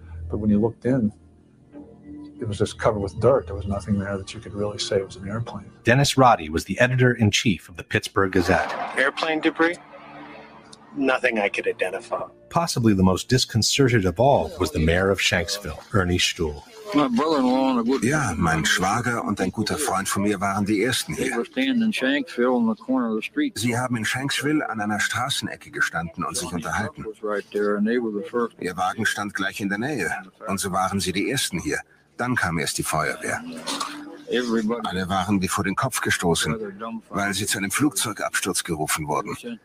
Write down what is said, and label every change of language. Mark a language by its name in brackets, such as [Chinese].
[English] But when you looked in, it was just covered with dirt. There was nothing there that you could really say was an airplane. Dennis Roddy was the editor-in-chief of the Pittsburgh Gazette. Airplane debris? Nothing I could identify. Possibly the most disconcerted of all was the mayor of Shanksville, Ernie Stuhl. My brother-in-law and a good friend. [German] Ja, mein Schwager und ein guter Freund von mir waren die ersten hier. [English] They were standing in Shanksville on the corner of the street. [German] Sie haben in Shanksville an einer Straßenecke gestanden und sich unterhalten. Ihr Wagen stand gleich in der Nähe und so waren sie die ersten hier. Dann kam erst die Feuerwehr. Alle waren wie vor den Kopf gestoßen, weil sie zu einem Flugzeugabsturz gerufen wurden.